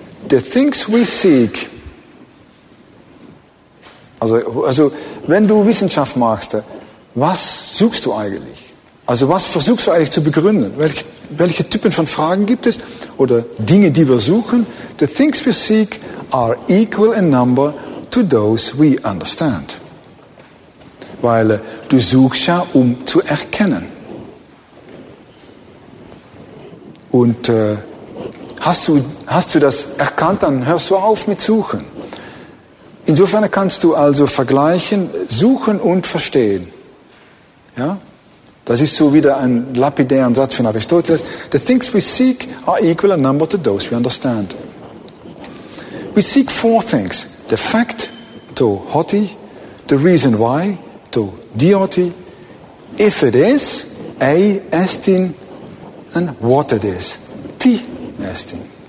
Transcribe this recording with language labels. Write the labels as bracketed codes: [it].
[en] The things we seek. [de] Also wenn du Wissenschaft machst, was suchst du eigentlich? Also was versuchst du eigentlich zu begründen? Welche Typen von Fragen gibt es? Oder Dinge, die wir suchen? [en] The things we seek are equal in number to those we understand. [de] Weil du suchst ja, um zu erkennen. Und hast du das erkannt, dann hörst du auf mit Suchen. Insofern kannst du also vergleichen, suchen und verstehen. Ja? Das ist so wieder ein lapidärer Satz von Aristoteles. [en] The things we seek are equal in number to those we understand. We seek four things. The fact, to hoti, the reason why, to dioti, if it is, a estin, and what it is, ti estin.